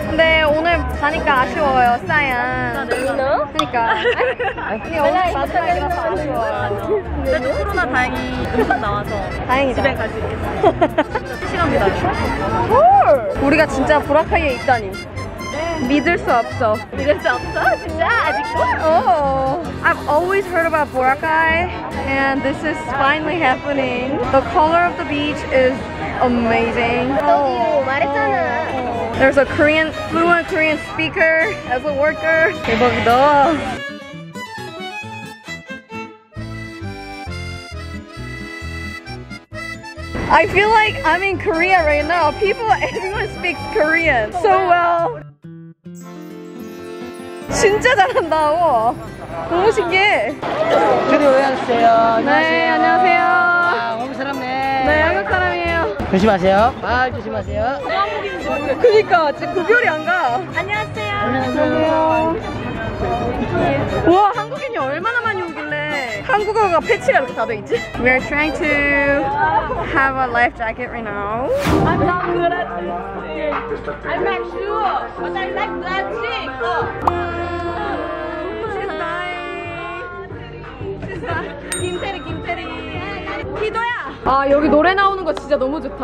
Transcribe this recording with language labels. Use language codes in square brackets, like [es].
[ko] 근데 오늘 가니까 아쉬워요, 사연. 그러니까. 오늘 마지막이라서 아쉬워. 그래도 코로나 다행히 음성 나와서 다행이다. 집에 갈 수 있겠다. 3시간 기다려. 헐! 우리가 진짜 보라카이에 있다니. 믿을 수 없어. 믿을 수 없어? 진짜? 아직도? [en] I've always heard about Boracay and this is finally happening. The color of the beach is amazing. [ko] Oh, 말했잖아. [en] There's a Korean, fluent Korean speaker as a worker. [ko] 대박이다. [en] I feel like I'm in Korea right now. Everyone speaks Korean so well. [ko] 진짜 잘한다, 우와. 너무 신기해. 드디어 왜 왔어요? 네, 안녕하세요. 아, 한국 사람네. 네, 한국 사람이에요. 조심하세요. 말 조심하세요. 그니까, 진짜 구별이 안 가. 안녕하세요. 안녕하세요. 우와, 한국인이 얼마나 많이 오길래 한국어가 패치가 이렇게 다 돼 있지? [en] We are trying to have a life jacket right now. I'm not good at this thing. I'm not sure, but I like that thing. [ko] Ah, 여기 노래 나오는 거 진짜 너무 좋다.